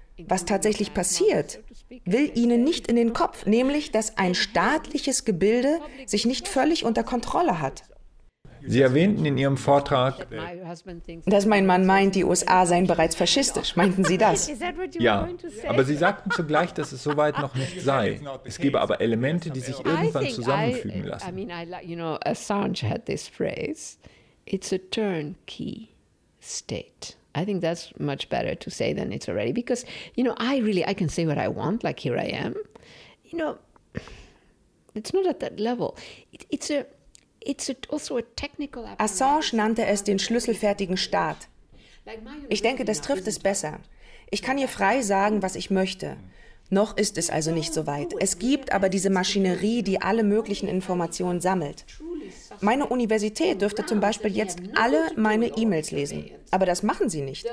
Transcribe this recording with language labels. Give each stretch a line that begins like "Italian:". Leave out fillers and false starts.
German: Was tatsächlich passiert, will Ihnen nicht in den Kopf, nämlich, dass ein staatliches Gebilde sich nicht völlig unter Kontrolle hat. Sie erwähnten in Ihrem Vortrag, dass mein Mann meint, die USA seien bereits faschistisch. Meinten Sie das? Ja, aber Sie sagten zugleich, dass es soweit noch nicht sei. Es gebe aber Elemente, die sich irgendwann zusammenfügen lassen.
English: Assange had this phrase, it's a turnkey state. I think that's much better to say than it's already, because, you know, I can say what I want, like here I am, you know, it's not at that level. It's also a technical apparatus.
German: Assange nannte es den schlüsselfertigen Staat. Ich denke, das trifft es besser. Ich kann hier frei sagen, was ich möchte. Noch ist es also nicht so weit. Es gibt aber diese Maschinerie, die alle möglichen Informationen sammelt. Meine Universität dürfte zum Beispiel jetzt alle meine E-Mails lesen. Aber das machen sie nicht.